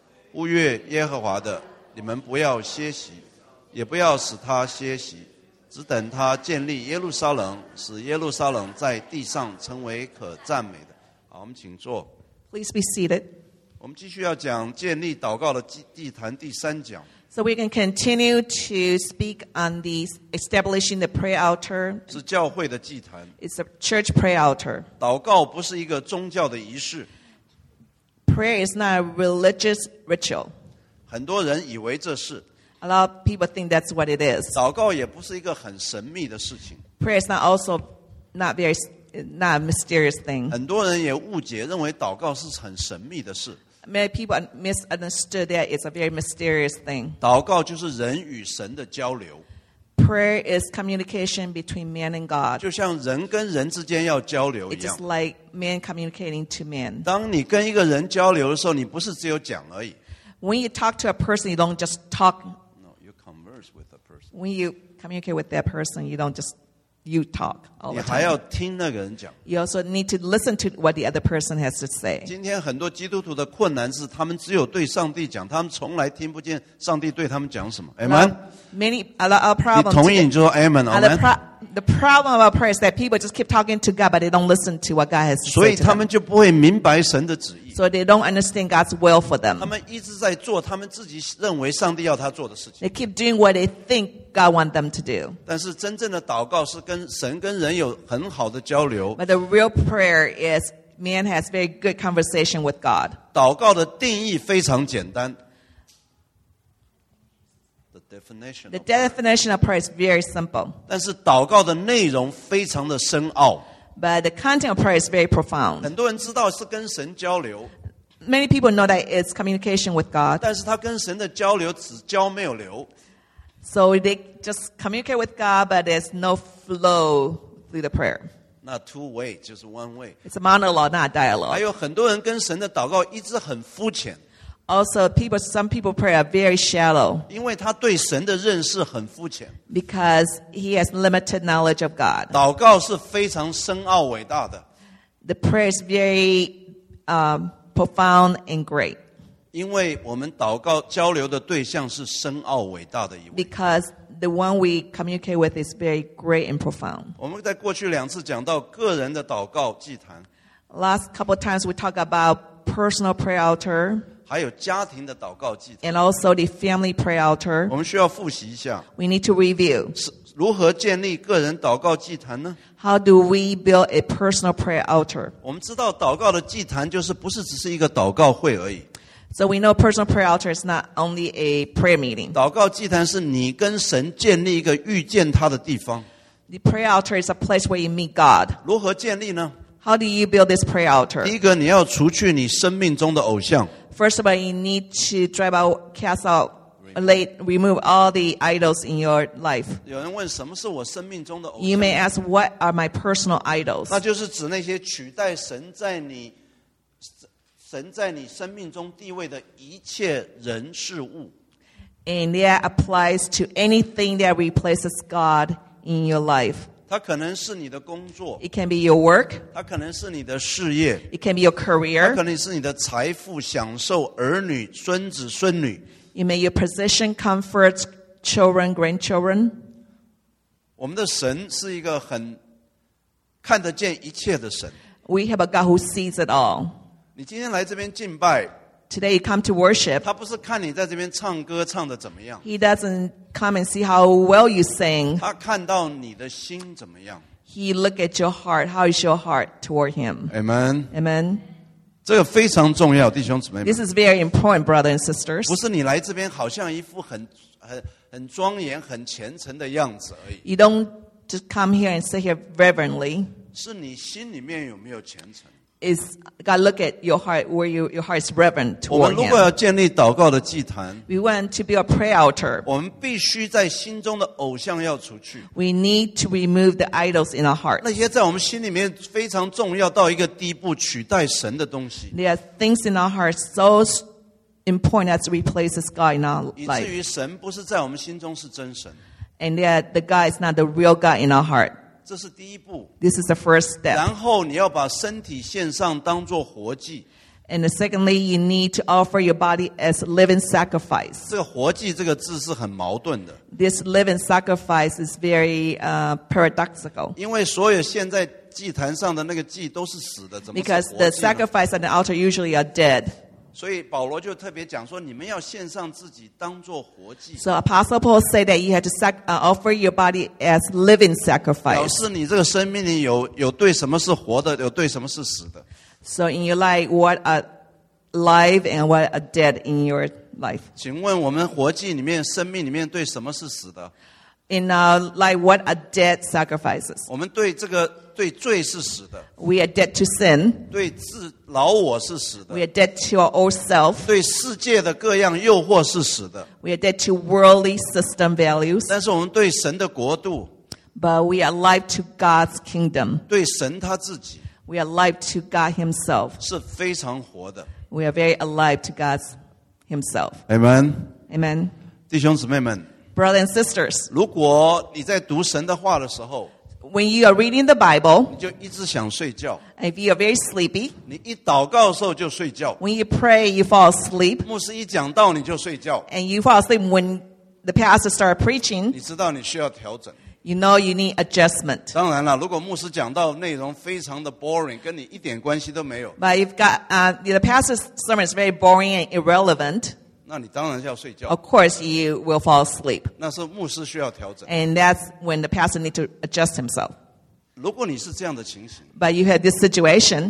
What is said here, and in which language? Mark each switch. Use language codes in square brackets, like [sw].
[zh] 呼悦耶和华的，你们不要歇息，也不要使他歇息，只等他建立耶路撒冷，使耶路撒冷在地上成为可赞美的。好，我们请坐。 [en] Please be seated. [zh] 我们继续要讲建立祷告的地坛第三讲。 [en] So we can continue to speak on the establishing the prayer altar. [zh] 是教会的祭坛。 [en] It's a church prayer altar. [zh] 祷告不是一个宗教的仪式。 [en] Prayer is not a religious ritual. [zh] 很多人以为这是。 [en] A lot of people think that's what it is. [zh] 祷告也不是一个很神秘的事情。 [en] Prayer is not also not very, not a mysterious thing. [zh] 很多人也误解，认为祷告是很神秘的事。 [en] Many people misunderstood that it's a very mysterious thing. [zh] 祷告就是人与神的交流。 [en] Prayer is communication between man and God. [zh] 就像人跟人之间要交流一样。 [en] It's just like man communicating to man. [zh] 当你跟一个人交流的时候，你不是只有讲而已。 [en] When you talk to a person, you don't just talk. No, you converse with the person. When you communicate with that person, you don't just you talk all the time. [zh] 你还要听那个人讲。 [en] You also need to listen to what the other person has to say. [zh] 今天很多基督徒的困难是他们只有对上帝讲，他们从来听不见上帝对他们讲什么。 [en] Amen. Many a lot of problems. [zh] 你同意你就说 Amen. [en] The problem of our prayer is that people just keep talking to God, but they don't listen to what God has to say. [zh] 所以他们就不会明白神的旨意。 [en] So they don't understand God's will for them. [zh] 他们一直在做他们自己认为上帝要他做的事情。 [en] They keep doing what they think God wants them to do. [zh] 但是真正的祷告是跟神跟人有很好的交流。 [en] But the real prayer is man has very good conversation with God. [zh] 祷告的定义非常简单。 [en] The definition of prayer is very simple. [zh] 但是祷告的内容非常的深奥。 [en] But the content of prayer is very profound. [zh] 很多人知道是跟神交流。 [en] Many people know that it's communication with God. [zh] 但是他跟神的交流只交没有流。 [en] So they just communicate with God, but there's no flow through the prayer. Not two way, just one way. It's a monologue, not a dialogue. [zh] 还有很多人跟神的祷告一直很肤浅。 [en] Also, some people pray are very shallow. [zh] 因为他对神的认识很肤浅。 [en] Because he has limited knowledge of God. [zh] 祷告是非常深奥伟大的。 [en] The prayer is very profound and great. [zh] 因为我们祷告交流的对象是深奥伟大的一位。 [en] Because the one we communicate with is very great and profound. [zh] 我们在过去两次讲到个人的祷告祭坛。 [en] Last couple of times we talk about personal prayer altar. [zh] 还有家庭的祷告祭坛 [en] and also the family prayer altar. [zh] 我们需要复习一下。 [en] We need to review. [zh] 如何建立个人祷告祭坛呢？ [en] How do we build a personal prayer altar? [zh] 我们知道祷告的祭坛就是不是只是一个祷告会而已。 [en] So we know personal prayer altar is not only a prayer meeting. [zh] 祷告祭坛是你跟神建立一个遇见他的地方。 [en] The prayer altar is a place where you meet God. [zh] 如何建立呢？ [en] How do you build this prayer altar? [zh] 第一个，你要除去你生命中的偶像。 [en] First of all, you need to drive out, cast out, remove all the idols in your life. [zh] 有人问什么是我生命中的偶像？ [en] You may ask, what are my personal idols? [zh] 那就是指那些取代神在你生命中地位的一切人事物。 [en] And that applies to anything that replaces God in your life. [zh] 它可能是你的工作。 [en] It can be your work. [zh] 它可能是你的事业。 [en] It can be your career. [zh] 它可能是你的财富、享受、儿女、孙子、孙女。 [en] It may be your position, comforts, children, grandchildren. [zh] 我们的神是一个很看得见一切的神。 [en] We have a God who sees it all. [zh] 你今天来这边敬拜。 [en] Today you come to worship. [zh] 他不是看你在这边唱歌唱得怎么样。 [en] He doesn't come and see how well you sing. [zh] 他看到你的心怎么样。 [en] He look at your heart. How is your heart toward him? Amen. Amen. [zh] 这个非常重要，弟兄姊妹们。 [en] This is very important, brothers and sisters. [zh] 不是你来这边好像一副很庄严、很虔诚的样子而已。 [en] You don't just come here and sit here reverently. [zh] 是你心里面有没有虔诚。 [en] is God look at your heart where you, your heart is reverent toward him. [zh] 我们如果要建立祷告的祭坛, [en] we want to build a prayer altar. [zh] 我们必须在心中的偶像要除去。 [en] We need to remove the idols in our heart. [zh] 那些在我们心里面非常重要到一个地步取代神的东西。 [en] There are things in our heart so important as replaces God in our life. [zh] 以至于神不是在我们心中是真神。 [en] And yet the God is not the real God in our heart. [zh] 这是第一步。 [en] This is the first step. [zh] 然后你要把身体献上当作活祭。 [en] And secondly, you need to offer your body as a living sacrifice. [zh] 这个活祭这个字是很矛盾的。 [en] This living sacrifice is very paradoxical. [zh] 因为所有献在祭坛上的那个祭都是死的，怎么是活祭呢？ [en] Because the sacrifice on the altar usually are dead. [zh] 所以保罗就特别讲说你们要献上自己当作活祭。 [en] So Apostle Paul said that you had to offer your body as living sacrifice. [zh] 表示你这个生命里有对什么是活的，有对什么是死的。 [en] So in your life, what are live and what are dead in your life? [zh] 请问我们活祭里面，生命里面对什么是死的？ [en] In our life, what are dead sacrifices? [zh] 我们对这个对罪是死的。 [en] We are dead to sin. [zh] 对自老我是死的。 [en] We are dead to our old self. [zh] 对世界的各样诱惑是死的。 [en] We are dead to worldly system values. [zh] 但是我们对神的国度。 [en] But we are alive to God's kingdom. [zh] 对神他自己。 [en] We are alive to God himself. [zh] 是非常活的。 [en] We are very alive to God himself. Amen. Amen. [zh] 弟兄姊妹们。 [en] Brothers and sisters. [zh] 如果你在读神的话的时候， [en] When you are reading the Bible, [zh] 你就一直想睡觉。 [en] If you are very sleepy, [zh] 你一祷告的时候就睡觉。 [en] When you pray, you fall asleep. [zh] 牧师一讲道你就睡觉。 [en] And you fall asleep when the pastor start preaching. [zh] 你知道你需要调整。 [en] You know you need adjustment. [zh] 当然了，如果牧师讲道内容非常的 boring, 跟你一点关系都没有。 [en] But if the pastor's sermon is very boring and irrelevant. [zh] 那你当然要睡觉。 [en] Of course, you will fall asleep. [zh] 那是牧师需要调整。 [en] And that's when the pastor needs to adjust himself. [zh] 如果你是这样的情形， [en] But you had this situation.